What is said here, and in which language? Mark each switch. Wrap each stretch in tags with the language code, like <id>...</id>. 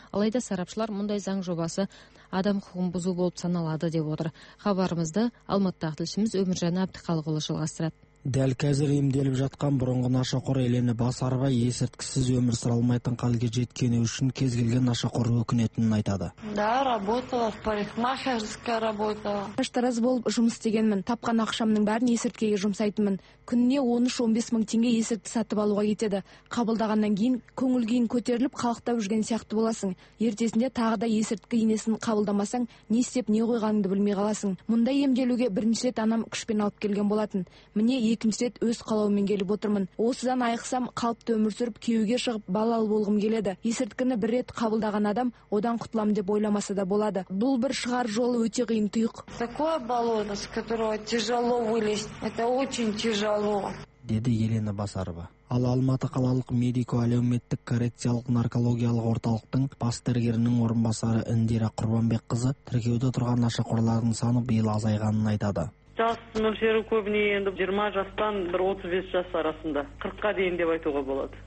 <kk>Алайда сарапшылар мұндай заң жобасы адам құқығын бұзу болып саналады деп отыр. Хабарымызды Алматыдағы тілшіміз Өміржан Әбдіқалықұлы жалғастырады. Дәл қазір емделіп жатқан бұрынғы нашақор Елена Басарова есірткісіз өмір сүре алмайтын халге жеткені үшін кез келген нашақор өкінетінін айтады.</kk> <ru>Да, работала в парикмахерской, работала.</ru> <kk>Штраз болып жұмыс істегенмін. Тапқан ақшамның бәрін есірткіге жұмсайтынмын. Күніне 13-15 мың теңге есірткі сатып алуға кетеді. Қабылдағаннан кейін көңіл күйін көтеріліп қалықтап жүрген сияқты боласың. Ертесінде тағы да есірткі инесін қабылдамасаң, не істеп, не қойғаныңды білмей қаласың. Мұндай емделуге бірінші рет анам күшпен алып келген болатын. Міне, екінші рет өз қалауыммен келіп отырмын. Осыдан айықсам, қалыпты өмір сүріп, күйеуге шығып, балалы болғым келеді. Есірткіні бір рет қабылдаған адам одан құтыламын деп ойламаса да болады. Бұл бір шығар жолы өте қиын тұйық.</kk> <ru>Такое болото, с которого тяжело вылезть. Это очень тяжело.</ru> <kk>Деді Елена Басарова. Ал Алматы қалалық медико-әлеуметтік коррекциялық наркологиялық орталықтың бас дәрігерінің орынбасары Индира Құрбанбекқызы тіркеуде тұрған нашақорлардың саны биыл азайғанын айтады. Жас мөлшері көбіне енді 20 жастан бір 35 жас арасында, 40-қа дейін деп айтуға болады.</kk>